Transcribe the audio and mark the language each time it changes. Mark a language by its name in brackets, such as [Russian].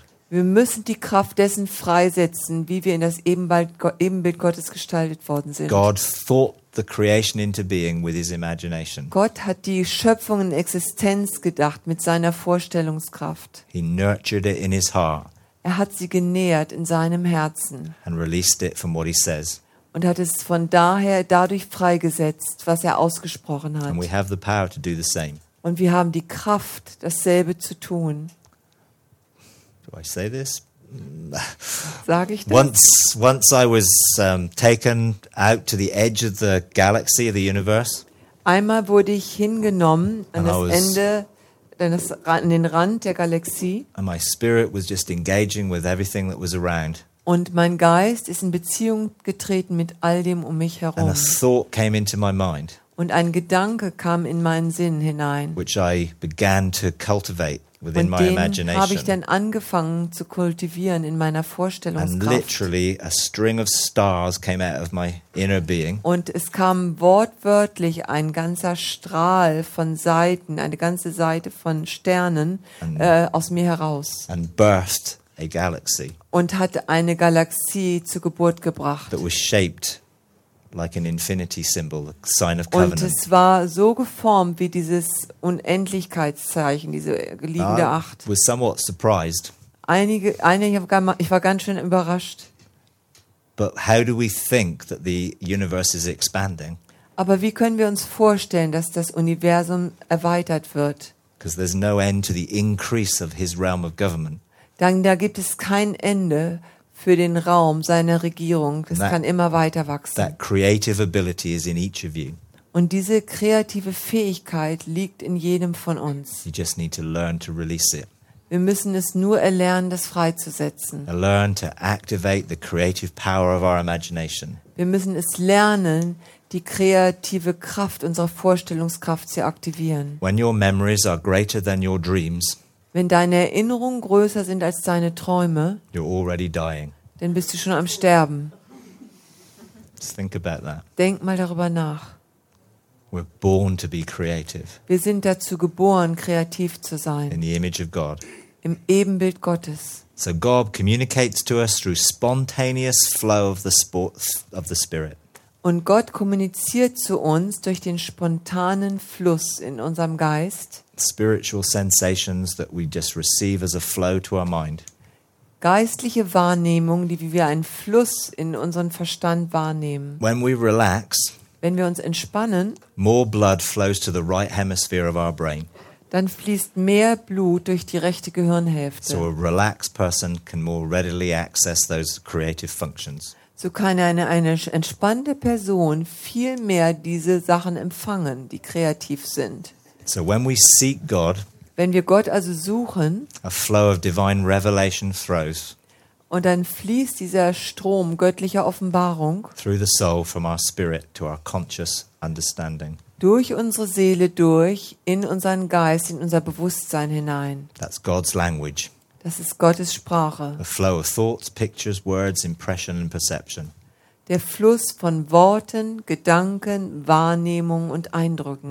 [German] Wir müssen die Kraft dessen freisetzen, wie wir in das Ebenbild Gottes gestaltet worden sind. [English] God thought the creation into being with his imagination. [German] Gott hat die Schöpfung in Existenz gedacht mit seiner Vorstellungskraft. [English] He nurtured it in his heart. [German] Er hat sie genährt in seinem Herzen. [English] And released it from what he says. [German] Und hat es von daher dadurch freigesetzt, was er ausgesprochen hat. [English] And we have the power to do the same. [German] Und wir haben die Kraft, dasselbe zu tun. [English] Do I say this? [German] Sag ich das? [English] Once I was taken out to the edge of the galaxy of the universe. [German] Einmal wurde ich hingenommen an das Ende, an den Rand der Galaxie. [English] And my spirit was just engaging with everything that was around. [German] Und mein Geist ist in Beziehung getreten mit all dem um mich herum. [English] And a thought came into my mind, [German] und ein Gedanke kam in meinen Sinn hinein. [English] Which I began to cultivate within [German] und [English] my imagination. [German] Habe ich dann angefangen zu kultivieren in meiner Vorstellungskraft. [English] And literally a string of stars came out of my inner being. [German] Und es kam wortwörtlich ein ganzer Strahl von Seiten, eine ganze Seite von Sternen aus mir heraus. [English] And burst a galaxy. [German] Und hat eine Galaxie zur Geburt gebracht. [English] That was shaped like an infinity symbol, a sign of covenant. [German] Und es war so geformt wie dieses Unendlichkeitszeichen, diese liegende Acht. [English] I was somewhat surprised. [German] Ich war ganz schön überrascht. [English] But how do we think that the universe is expanding? [German] Aber wie können wir uns vorstellen, dass das Universum erweitert wird? [English] Because there's no end to the increase of his realm of government. [German] Dann da gibt es kein Ende für den Raum seiner Regierung. Das that, kann immer weiter wachsen. [English] That creative ability is in each of you. [German] Und diese kreative Fähigkeit liegt in jedem von uns. [English] You just need to learn to release it. [German] Wir müssen es nur erlernen, das freizusetzen. [English] Learn to activate the creative power of our imagination. [German] Wir müssen es lernen, die kreative Kraft unserer Vorstellungskraft zu aktivieren. [English] When your memories are greater than your dreams, [German] wenn deine Erinnerungen größer sind als deine Träume, [English] you're already dying. [German] Dann bist du schon am Sterben. [English] Just think about that. [German] Denk mal darüber nach. [English] We're born to be creative. [German] Wir sind dazu geboren, kreativ zu sein. [English] In the image of God. [German] Im Ebenbild Gottes. [English] So God communicates to us through spontaneous flow of the Spirit. [German] Und Gott kommuniziert zu uns durch den spontanen Fluss in unserem Geist. [English] Spiritual sensations that we just receive as a flow to our mind. [German] Geistliche Wahrnehmung, die wie wir einen Fluss in unseren Verstand wahrnehmen. [English] When we relax, [German] wenn wir uns entspannen, [English] more blood flows to the right hemisphere of our brain. [German] Dann fließt mehr Blut durch die rechte Gehirnhälfte. [English] So a relaxed person can more readily access those creative functions. [German] So kann eine entspannte Person viel mehr diese Sachen empfangen, die kreativ sind. [English] So when we seek God, [German] wenn wir Gott also suchen, [English] a flow of divine revelation flows, [German] und dann fließt dieser Strom göttlicher Offenbarung [English] through the soul from our spirit to our conscious understanding, [German] durch unsere Seele durch in unseren Geist, in unser Bewusstsein hinein. [English] That's God's language. [German] Das ist Gottes Sprache. [English] A flow of thoughts, pictures, words, impression and perception. [German] Der Fluss von Worten, Gedanken, Wahrnehmung und Eindrücken.